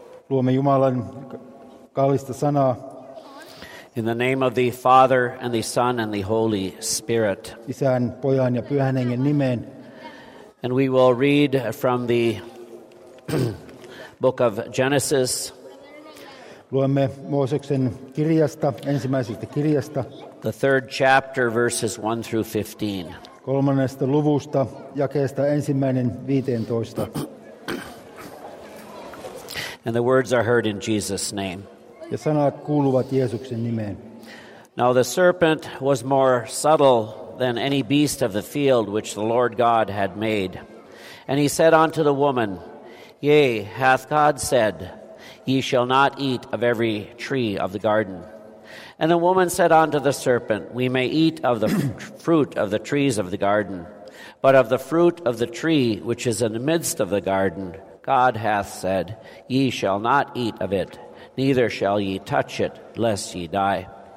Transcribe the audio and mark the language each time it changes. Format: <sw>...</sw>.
<fi>Luomme Jumalan kallista sanaa.</fi> <en>In the name of the Father and the Son and the Holy Spirit.</en> <fi>Isän, Pojan ja Pyhän Hengen nimeen.</fi> <en>And we will read from the book of Genesis.</en> <fi>Luomme Mooseksen kirjasta, ensimmäisestä kirjasta.</fi> <en>The third chapter, verses 1 through 15.</en> <fi>Kolmannesta luvusta, jakeesta 1-15.</fi> <en>And the words are heard in Jesus' name.</en> <fi>Ja sanat kuuluvat Jeesuksen nimeen.</fi> <en>Now the serpent was more subtle than any beast of the field which the Lord God had made. And he said unto the woman, Yea, hath God said, Ye shall not eat of every tree of the garden. And the woman said unto the serpent, We may eat of the fruit of the trees of the garden, but of the fruit of the tree which is in the midst of the garden, God hath said, Ye shall not eat of it, neither shall ye touch it, lest ye die.</en>